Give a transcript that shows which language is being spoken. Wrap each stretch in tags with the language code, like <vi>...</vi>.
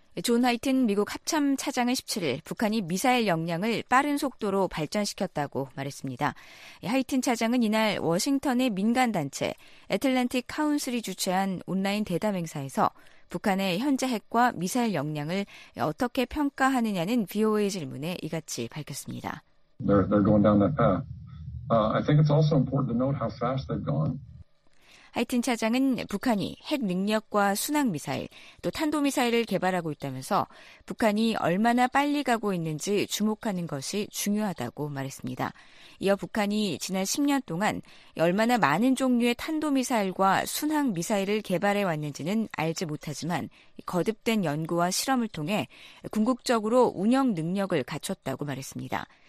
<ko>존 하이튼 미국 합참 차장은 17일 북한이 미사일 역량을 빠른 속도로 발전시켰다고 말했습니다. 하이튼 차장은 이날 워싱턴의 민간단체 애틀랜틱 카운슬이 주최한 온라인 대담 행사에서 북한의 현재 핵과 미사일 역량을 어떻게 평가하느냐는 VOA 질문에 이같이 밝혔습니다.</ko> <en>They're going down that path. I think it's also important to note how fast they've gone.</en> <ko>하이튼 차장은 북한이 핵 능력과 순항미사일, 또 탄도미사일을 개발하고 있다면서 북한이 얼마나 빨리 가고 있는지 주목하는 것이 중요하다고 말했습니다. 이어 북한이 지난 10년 동안 얼마나 많은 종류의 탄도미사일과 순항미사일을 개발해왔는지는 알지 못하지만 거듭된 연구와 실험을 통해 궁극적으로 운영 능력을 갖췄다고 말했습니다.</ko>